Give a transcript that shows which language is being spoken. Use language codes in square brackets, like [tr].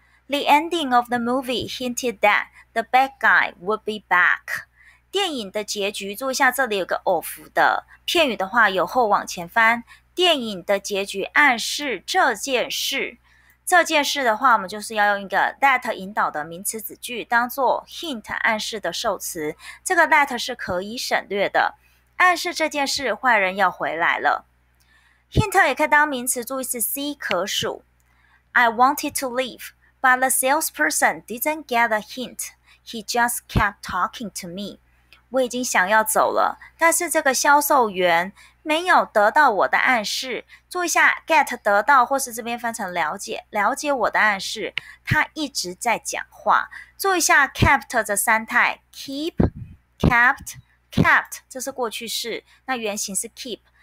[en] The ending of the movie hinted that the bad guy would be back。 [zh] 电影的结局，注意一下，这里有个 of 的片语的话，由后往前翻。电影的结局暗示这件事。这件事的话，我们就是要用一个 that 引导的名词子句，当做 hint 暗示的受词。这个 that 是可以省略的，暗示这件事坏人要回来了。 Hint 也可以当名词，注意是 C 可数。 [en] I wanted to leave, but the salesperson didn't get a hint. He just kept talking to me. [zh] 我已经想要走了，但是这个销售员没有得到我的暗示。注意一下 get 得到，或是这边翻成了解，了解我的暗示，他一直在讲话。注意一下 kept 这三态 keep, kept, kept, 这是过去式，那原型是 keep。